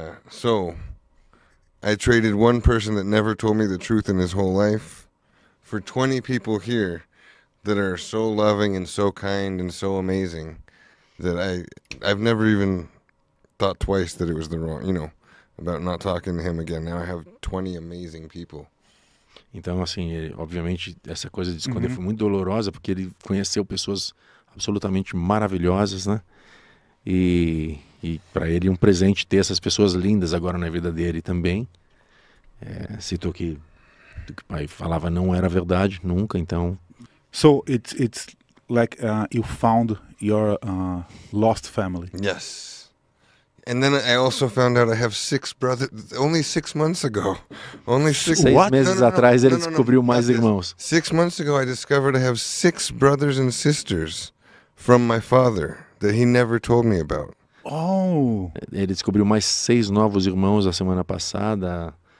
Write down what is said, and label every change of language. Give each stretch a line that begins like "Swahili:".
English: So, I traded one person that never told me the truth in his whole life for 20 people here that are so loving and so kind and so amazing that I've never even thought twice that it was the wrong, you know, about not talking to him again. Now I have 20 amazing people.
Portuguese: Então, assim, obviamente, essa coisa de esconder foi muito dolorosa porque ele conheceu pessoas absolutamente maravilhosas, né? E para ele um presente ter essas pessoas lindas agora na vida dele também. Citou que o pai falava não era verdade nunca, então.
English: So it's like you found your lost family. Yes. And then I also found out I have six brothers. Only 6 months ago. Only six.
Portuguese: What? Meses atrás ele descobriu mais irmãos.
English: 6 months ago I discovered I have six brothers and sisters from my father that he never told me about. Oh.
Portuguese: Ele descobriu mais seis novos irmãos a semana passada.